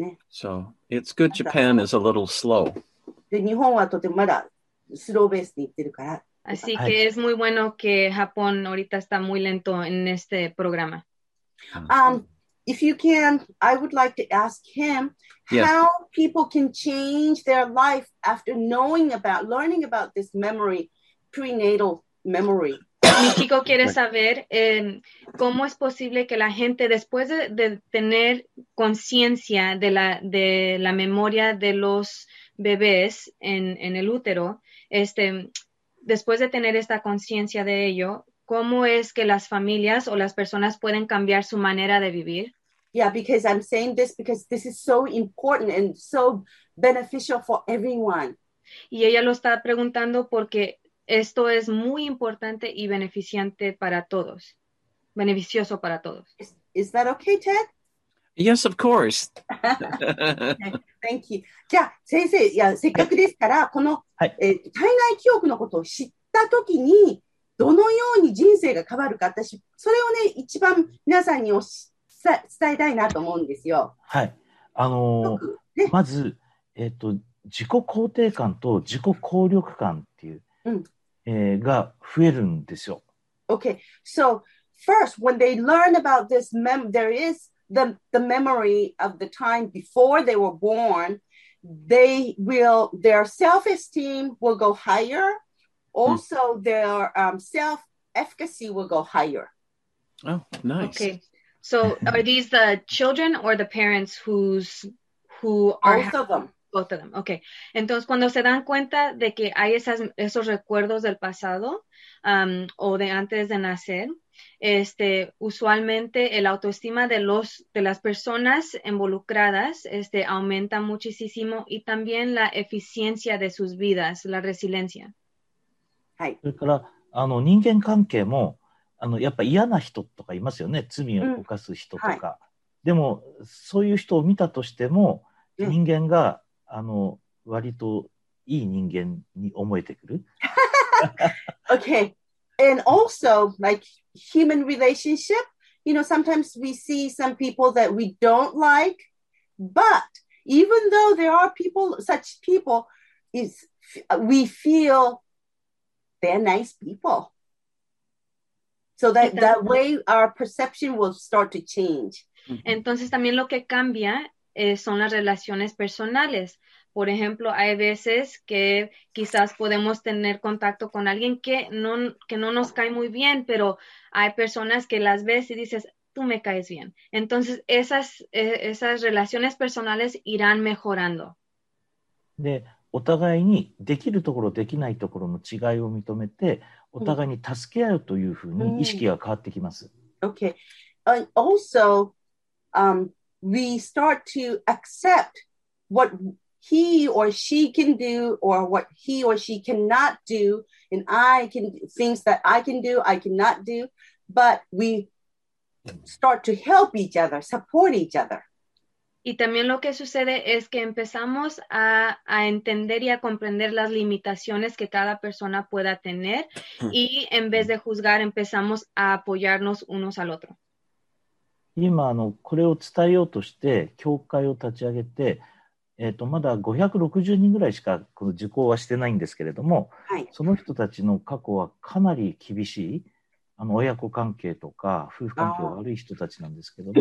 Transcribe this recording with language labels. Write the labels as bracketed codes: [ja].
[en] So it's good Japan is a little slow. [ja] で、日本はとてもまだスローベースでいってるから。 [es] Así que es muy bueno que Japón ahorita está muy lento en este programa. [en] If you can, I would like to ask him how people can change their life after knowing about, learning about this memory, prenatal memory. [es] Mi chico quiere saber cómo es posible que la gente, después de tener conciencia de la memoria de los bebés en el útero, después de tener esta conciencia de ello, ¿cómo es que las familias o las personas pueden cambiar su manera de vivir? [en] Yeah, because I'm saying this because this is so important and so beneficial for everyone. [es] Y ella lo está preguntando porque esto es muy importante y beneficiante para todos. Beneficioso para todos. [en] Is that okay, Ted? Yes, of course. Thank you. [ja] じゃあ、先生、いや、せっかくですから、この、体外記憶のことを知ったときに、どのように人生が変わるか、私、それをね、一番皆さんに伝えたいなと思うんですよ。はい。ね、まず、自己肯定感と自己効力感っていう、が増えるんですよ。 [en] Okay. So, first, when they learn about this there is the memory of the time before they were born, their self-esteem will go higher. Also, their self-efficacy will go higher. Oh, nice. Okay. So, are these the children or the parents who are... Both of them. Both of them. Okay. [es] Entonces, cuando se dan cuenta de que hay esos recuerdos del pasado o de antes de nacer, usualmente el autoestima de las personas involucradas aumenta muchísimo y también la eficiencia de sus vidas, la resiliencia. Sí. [ja] それから、人間関係も、やっぱ嫌な人とかいますよね。罪を犯す人とか。Mm. はい、でも、そういう人を見たとしても、人間が、mm. 割といい人間に思えてくる。 [en] Okay. And also, like, human relationship, you know, sometimes we see some people that we don't like, but even though there are people, such people, we feel they're nice people. So that way our perception will start to change. [es] Entonces, también lo que cambia son las relaciones personales. Por ejemplo, hay veces que quizás podemos tener contacto con alguien que no nos cae muy bien, pero hay personas que las ves y dices, tú me caes bien. Entonces, esas relaciones personales irán mejorando. [ja] De, お互いにできるところ、できないところの違いを認めて、お互いに助け合うというふうに意識が変わってきます。 [en] Okay. Also, we start to accept what he or she can do or what he or she cannot do, and I cannot do, but we start to help each other, support each other. [es] Y también lo que sucede es que empezamos a entender y a comprender las limitaciones que cada persona pueda tener, y en vez de juzgar, empezamos a apoyarnos unos al otro. [ja] 今これを伝えようとして教会を立ち上げて、まだ560人ぐらいしかこの受講はしてないんですけれども、はい、その人たちの過去はかなり厳しい親子関係とか夫婦関係が悪い人たちなんですけども、